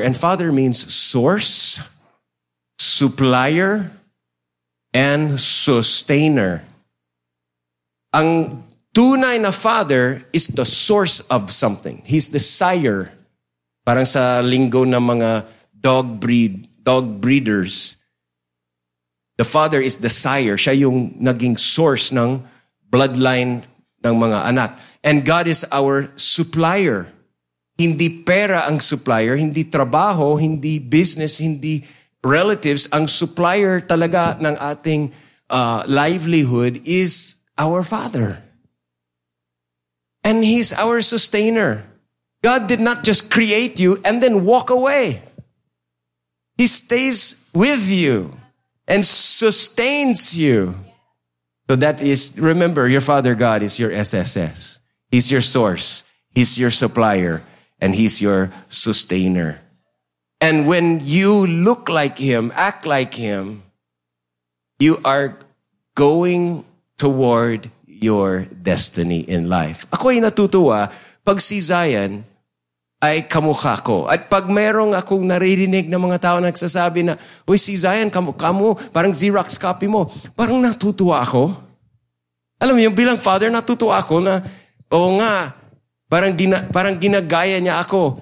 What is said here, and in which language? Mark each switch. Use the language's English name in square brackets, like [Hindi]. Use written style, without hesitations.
[English] And Father means source, supplier, and sustainer. [Filipino] Ang tunay na [English] Father is the source of something. He's the sire. [Filipino] Parang sa linggo ng mga [English] dog breeders, the father is the sire. [Filipino] Siya yung naging source ng bloodline ng mga anak. [English] And God is our supplier. [Filipino] Hindi pera ang supplier, hindi trabaho, hindi business, hindi relatives. [English] Ang supplier [Filipino] talaga ng ating [English] livelihood is our Father. And He's our sustainer. God did not just create you and then walk away. He stays with you and sustains you. So that is, remember, your Father God is your SSS. He's your source. He's your supplier. And He's your sustainer. And when you look like Him, act like Him, you are going toward your destiny in life. [Filipino] Ako'y natutuwa pag si Zion ay kamukha ko. At pag merong akong naririnig ng mga tao nagsasabi na, uy, si Zion, kamukha mo, parang Xerox copy mo. Parang natutuwa ako. Alam mo yung bilang father, natutuwa ako na, oo nga, parang ginagaya niya ako.